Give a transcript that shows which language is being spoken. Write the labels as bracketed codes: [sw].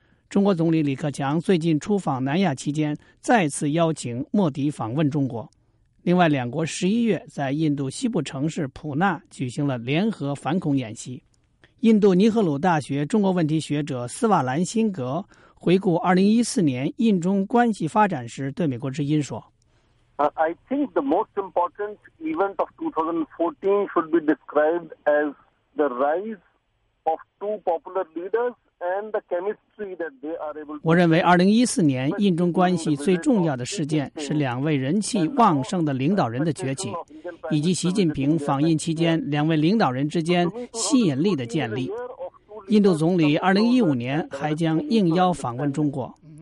[zh] 中国总理李克强最近出访南亚期间，再次邀请莫迪访问中国。另外，两国11月在印度西部城市普纳举行了联合反恐演习。印度尼赫鲁大学中国问题学者斯瓦兰辛格回顾2014年印中关系发展时，对美国之音说。 [en] I think the most important event of 2014 should be described as the rise of two popular leaders and the chemistry that they are able to. [zh] 我认为2014年印中关系最重要的事件是两位人气旺盛的领导人的崛起，以及习近平访印期间两位领导人之间吸引力的建立。印度总理2015年还将应邀访问中国。